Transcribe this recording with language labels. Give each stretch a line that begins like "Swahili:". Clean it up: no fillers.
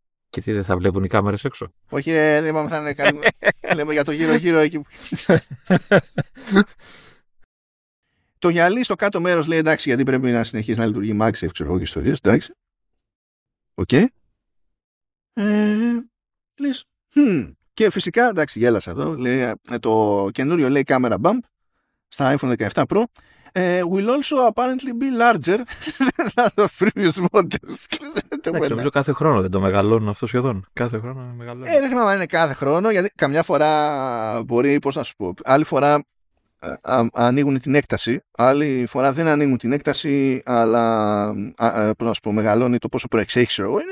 Greek: Και τι, δεν θα βλέπουν οι κάμερες έξω? Όχι, δεν είπαμε, θα είναι καν... λέμε για το γύρω-γύρω εκεί. Το γυαλί στο κάτω μέρος λέει εντάξει, γιατί πρέπει να συνεχίσει να λειτουργεί MagSafe, ξέρω εγώ και ιστορίες, εντάξει. Οκ. Λες. Και φυσικά, εντάξει, γέλασα εδώ, λέει, το καινούριο λέει camera bump στα
English: iPhone 17 Pro will also apparently be larger than the previous models.
Greek: Εντάξει, νομίζω κάθε χρόνο δεν το μεγαλώνουν αυτό σχεδόν. Κάθε χρόνο μεγαλώνουν. Δεν θυμάμαι αν είναι κάθε χρόνο, γιατί καμιά φορά μπορεί, πώς να σου πω, άλλη φορά ανοίγουν την έκταση, άλλη φορά δεν ανοίγουν την έκταση, αλλά πώς να σου πω, μεγαλώνει το πόσο προεξέχεις εγώ.